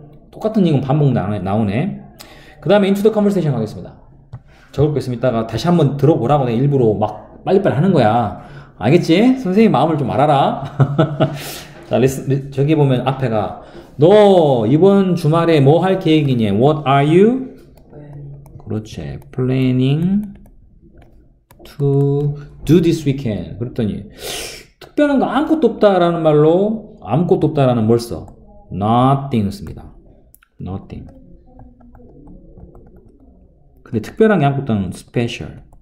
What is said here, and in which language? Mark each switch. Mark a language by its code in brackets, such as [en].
[ko] 똑같은 이건 반복 나오네. 그 다음에 [en] into the conversation [ko] 가겠습니다. 적을 거 있으면 이따가 다시 한번 들어보라고 내가 일부러 막 빨리빨리 하는 거야. 알겠지? 선생님 마음을 좀 알아라. 자, 저기 보면 앞에가 너 이번 주말에 뭐할 계획이니? [en] What are you? [ko] 그렇지. [en] Planning to do this weekend. [ko] 그랬더니 특별한 거 아무것도 없다라는 말로 아무것도 없다라는 뭘 써? [en] Nothing 씁니다. Nothing. [ko] 근데 특별한 게 한국 단어는 special.